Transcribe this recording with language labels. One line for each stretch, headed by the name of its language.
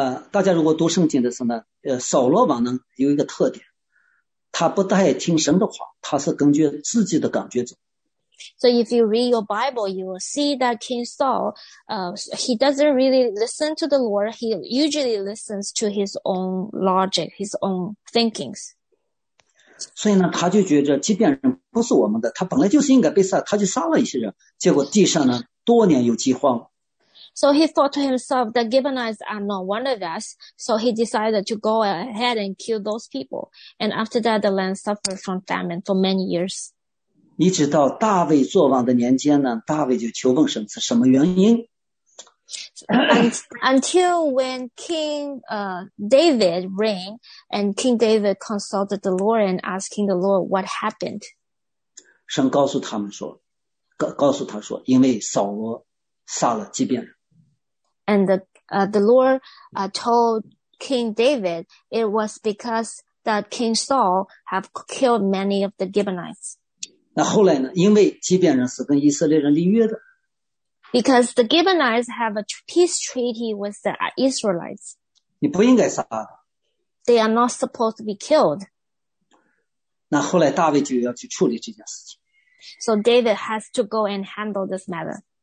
Chinese: 大家如果读圣经的时候呢，扫罗王呢有一个特点，他不太听神的话，他是根据自己的感觉走。
English: So if you read your Bible, you will see that King Saul, he doesn't really listen to the Lord. He usually listens to his own logic, his own thinkings.
Chinese: 所以呢，他就觉得，即便人不是我们的，他本来就是应该被杀，他就杀了一些人，结果地上呢，多年有饥荒。
English: So he thought to himself that Gibeonites are not one of us, so he decided to go ahead and kill those people. And after that, the land suffered from famine for many years.
Chinese: 一直到大卫作王的年间呢，大卫就求问神是什么原因。
English: Until when King David reigned, and King David consulted the Lord and asking the Lord what happened.
Chinese: 神告诉他们说，告诉他说，因为扫罗杀了基遍人。
English: And the Lord told King David it was because that King Saul have killed many of the Gibeonites.
Chinese: 那后来呢？因为基遍人是跟以色列人立约的。
English: Because the Gibeonites have a peace treaty with the Israelites.
Chinese: 你不应该杀他。
English: They are not supposed to be killed.
Chinese: 那后来大卫就要去处理这件事情。
English: So David has to go and handle this matter.